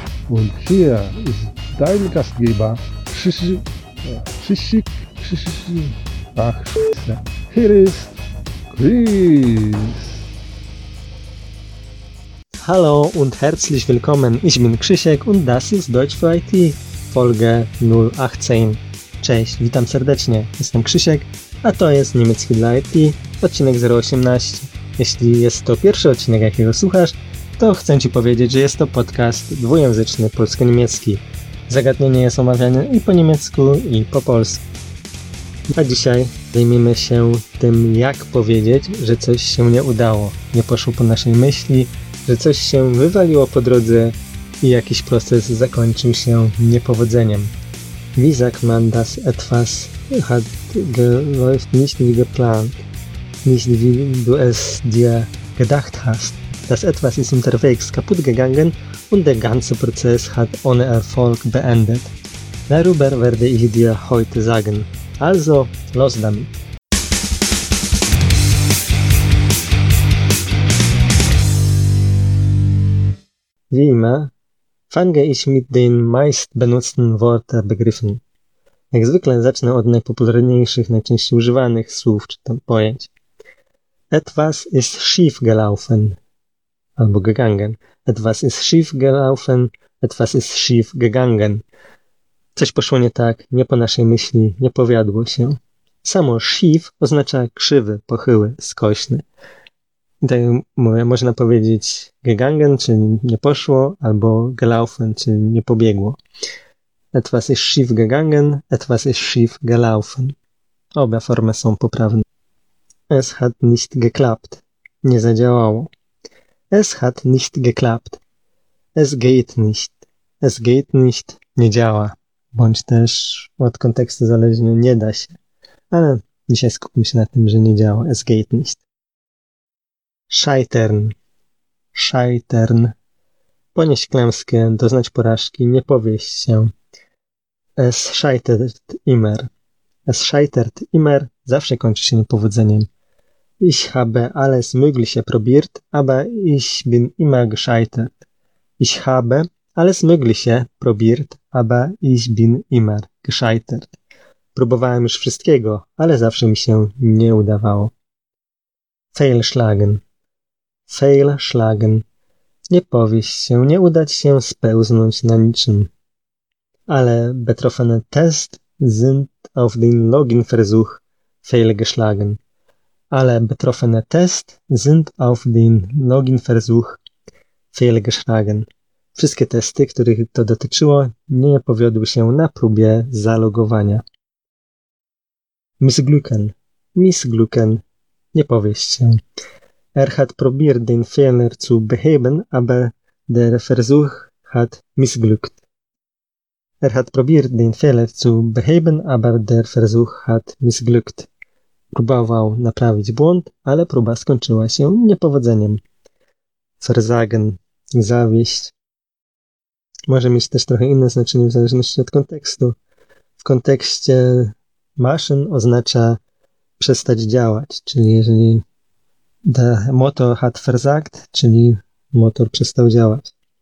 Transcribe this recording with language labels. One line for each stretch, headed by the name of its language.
German: Und hier ist dein Gastgeber, hier ist Chris. Hallo und herzlich willkommen, ich bin Krzysiek und das ist Deutsch für IT, Folge 018.
Polish: Cześć, witam serdecznie, jestem Krzysiek, a to jest Niemiecki dla IT, odcinek 018. Jeśli jest to pierwszy odcinek, jakiego słuchasz, to chcę Ci powiedzieć, że jest to podcast dwujęzyczny polsko-niemiecki. Zagadnienie jest omawiane i po niemiecku, i po polsku. A dzisiaj zajmiemy się tym, jak powiedzieć, że coś się nie udało, nie poszło po naszej myśli, że coś się wywaliło po drodze i jakiś proces zakończył się niepowodzeniem.
German: Wie sagt man, dass etwas hat geläuft nicht wie geplant, nicht wie du es dir gedacht hast. Das etwas ist unterwegs kaputt gegangen und der ganze Prozess hat ohne Erfolg beendet. Darüber werde ich dir heute sagen. Also, los damit! Wie immer fange ich mit den meist benutzten Worten Begriffen.
Polish: Jak zwykle zacznę od najpopularniejszych, najczęściej używanych słów czy tam pojęć.
German: Etwas ist schief gelaufen. Albo gegangen. Etwas ist schief gelaufen. Etwas ist schief gegangen.
Polish: Coś poszło nie tak, nie po naszej myśli, nie powiadło się. Samo schief oznacza krzywy, pochyły, skośny. I tak jak mówię, można powiedzieć gegangen, czyli nie poszło, albo gelaufen, czyli nie pobiegło.
German: Etwas ist schief gegangen, etwas ist schief gelaufen.
Polish: Obie formy są poprawne.
German: Es hat nicht geklappt.
Polish: Nie zadziałało.
German: Es hat nicht geklappt. Es geht nicht. Es geht nicht.
Polish: Nie działa. Bądź też od kontekstu zależnie nie da się. Ale dzisiaj skupmy się na tym, że nie działa.
German: Es geht nicht. Scheitern. Scheitern.
Polish: Ponieść klęskę, doznać porażki, nie powieść się.
German: Es scheitert immer. Es scheitert immer.
Polish: Zawsze kończy się niepowodzeniem.
German: Ich habe alles mögliche probiert, aber ich bin immer gescheitert. Ich habe alles mögliche probiert, aber ich bin immer gescheitert.
Polish: Próbowałem już wszystkiego, ale zawsze mi się nie udawało. Fehlschlagen. Fehlschlagen. Nie powieść się, nie udać się spełznąć na niczym.
German: Alle betroffene Test sind auf den Login-Versuch fehlgeschlagen. Alle betroffene Test sind auf den Login-Versuch fehlgeschlagen.
Polish: Wszystkie testy, których to dotyczyło, nie powiodły się na próbie zalogowania. Missglücken. Missglücken. Nie powieść się.
German: Er hat probiert den Fehler zu beheben, aber der Versuch hat missglückt. Er hat probiert den Fehler zu beheben, aber der Versuch hat missglückt.
Polish: Próbował naprawić błąd, ale próba skończyła się niepowodzeniem. Versagen. Zawieść. Może mieć też trochę inne znaczenie w zależności od kontekstu. W kontekście maszyn oznacza przestać działać, czyli jeżeli
German: der Motor hat versagt,
Polish: czyli motor przestał działać.